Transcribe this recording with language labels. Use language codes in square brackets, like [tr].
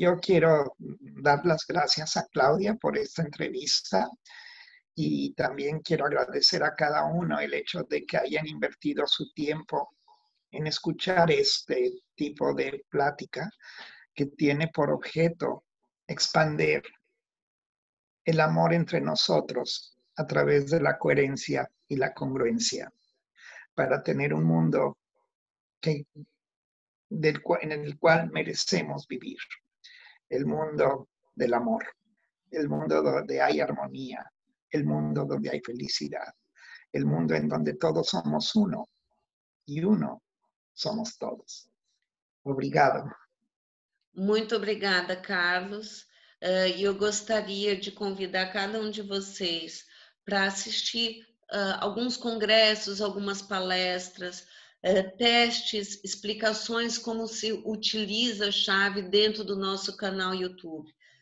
[pt] Eu quero dar as graças a Cláudia por esta entrevista e também quero agradecer a cada um o [es] hecho de que hayan invertido [pt] seu tempo em [es] escuchar este tipo de plática que tiene por objeto expandir el amor entre nosotros a través de la coherencia y la congruencia, para tener un mundo en el cual merecemos vivir, el mundo del amor, el mundo donde hay armonía, el mundo donde hay felicidad, el mundo en donde todos somos uno, y uno somos todos. [pt] Obrigado. Muito obrigada, Carlos. Eu gostaria de convidar cada um de vocês para assistir alguns congressos, algumas palestras, testes, explicações como se utiliza a chave dentro do nosso canal YouTube.